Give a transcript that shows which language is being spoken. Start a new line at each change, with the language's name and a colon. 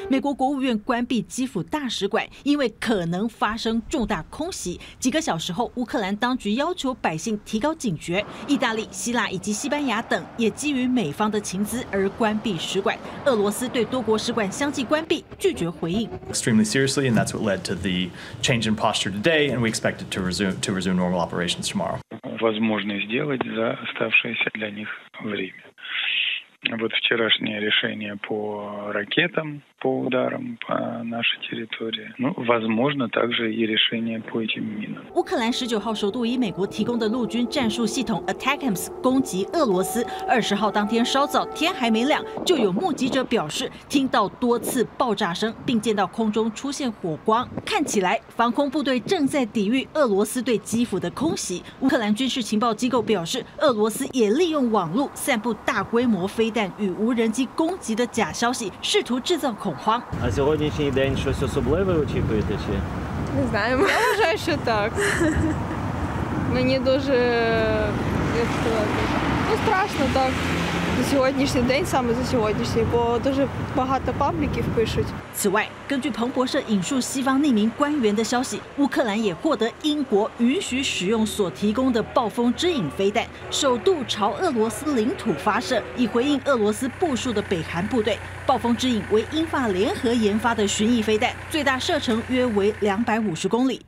Chinese: 美国国务院关闭基辅大使馆，因为可能发生重大空袭。几个小时后，乌克兰当局要求百姓提高警觉。意大利、希腊以及西班牙等也基于美方的情资而关闭使馆。俄罗斯对多国使馆相继关闭，拒绝回应。
English: Extremely seriously, and that's what led to the change in posture today, and we expect it to resume normal operations tomorrow.
Russian: Возможно сделать за оставшееся для них. Время. Вот вчерашнее решение по ракетам, по ударам по нашей территории. Ну, возможно, также и решение по этим минам.
Chinese: 乌克兰19号首度以美国提供的陆军战术系统 ATACMS 攻击俄罗斯。 20号当天稍早，天还没亮，就有目击者表示听到多次爆炸声，并见到空中出现火光。看起来，防空部队正在抵御俄罗斯对基辅的空袭。乌克兰军事情报机构表示，俄罗斯也利用网路散布大规模飞弹与无人机攻击的假消息，试图制造恐慌。
Ukrainian: А сьогоднішній день щось особливе очікуєте чи? Не знаю, може, що так. Мені дуже, як сказати, ну страшно, так. Сьогоднішній день саме за сьогоднішній, бо дуже багато пабліків пишуть.
Chinese: 此外，根据彭博社引述西方匿名官员的消息，乌克兰也获得英国允许使用所提供的暴风之影飞弹，首度朝俄罗斯领土发射，以回应俄罗斯部署的北韩部队。暴风之影为英法联合研发的巡弋飞弹，最大射程约为250公里。